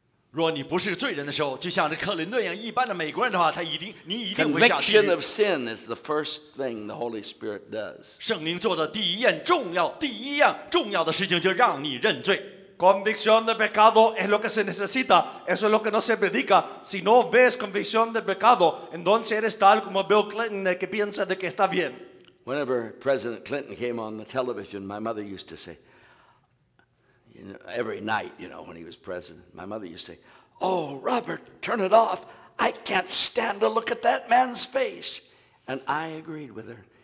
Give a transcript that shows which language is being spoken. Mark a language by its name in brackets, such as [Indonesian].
[Chinese] 若你不是罪人的时候，就像这克林顿一样一般的美国人的话，他一定，你一定会下地狱。 [English] Conviction of sin is the first thing the Holy Spirit does. [Chinese] 圣灵做的第一件重要，第一样重要的事情就让你认罪。 [Spanish] Convicción de pecado es lo que se necesita. Eso es lo que no se predica. Si no ves convicción de pecado, entonces eres tal como Bill Clinton que piensa de que está bien. [English] Whenever President Clinton came on the television, my mother used to say, you know, every night, you know, when he was president, my mother used to say, oh, Robert, turn it off. I can't stand to look at that man's face. And I agreed with her.